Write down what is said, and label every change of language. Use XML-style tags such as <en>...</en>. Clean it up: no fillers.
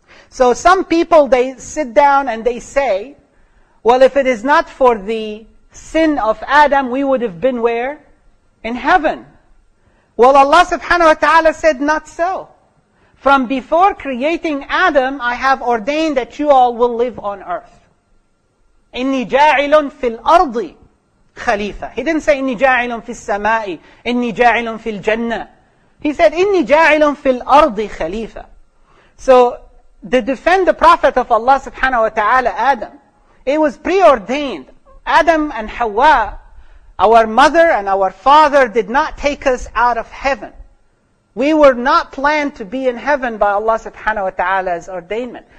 <en>So some people, they sit down and they say, well, if it is not for the sin of Adam, we would have been where? In heaven. Well, Allah subhanahu wa ta'ala said, not so. From before creating Adam, I have ordained that you all will live on earth.</en> <ar>إِنِّي جَاعِلٌ فِي الْأَرْضِ خَلِيفَةٌ.</ar> <en>He didn't say,</en> <ar>إِنِّي جَاعِلٌ فِي السَّمَاءِ, إِنِّي جَاعِلٌ فِي الْجَنَّةِ.</ar> <en>He said,</en> <ar>إِنِّي جَاعِلٌ فِي الْأَرْضِ خَلِيفَةٌ.</ar> <en>So, to defend the Prophet of Allah subhanahu wa ta'ala, Adam, it was preordained. Adam and Hawa, our mother and our father, did not take us out of heaven. We were not planned to be in heaven by Allah subhanahu wa ta'ala's ordainment.</en>